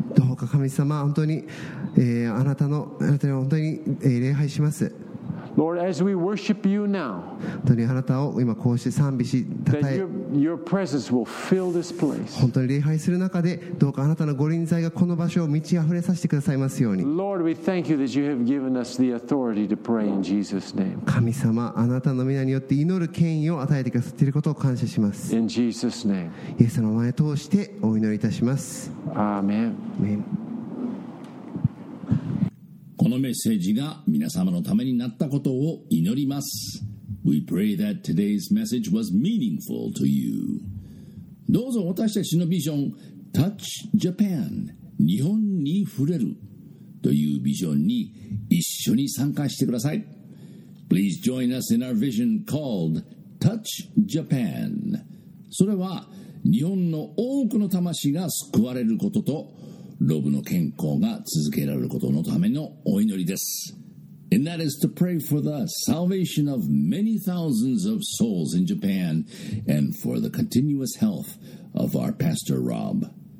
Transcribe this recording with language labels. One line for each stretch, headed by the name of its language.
Japanese: どうか神様、本当に、あなたに本当に、礼拝します。
English: Lord, as we worship you now, that your presence will fill this place.
Japanese: 本当に礼拝する中で、どうかあなたの御臨在がこの場所を満ち溢れさせてくださいますように。
English: Lord, we thank you that you have given us the authority to pray in Jesus' name.
Japanese: 神様、あなたの名によって祈る権威を与えてくださっていることを感謝します。
English: In Jesus' name.
Japanese: イエス様の名前を通してお祈りいたします。
English: Amen. Amen.
Japanese: このメッセージが皆様のためになったことを祈ります。
English: We pray that today's message was meaningful to you.
Japanese: どうぞ私たちのビジョン、Touch Japan、日本に触れるというビジョンに一緒に参加してください。
English: Please join us in our vision called Touch Japan.
Japanese: それは日本の多くの魂が救われることと、ロブの健康が続けられることのためのお祈りです。
English: And that is to pray for the salvation of many thousands of souls in Japan and for the continuous health of our Pastor Rob.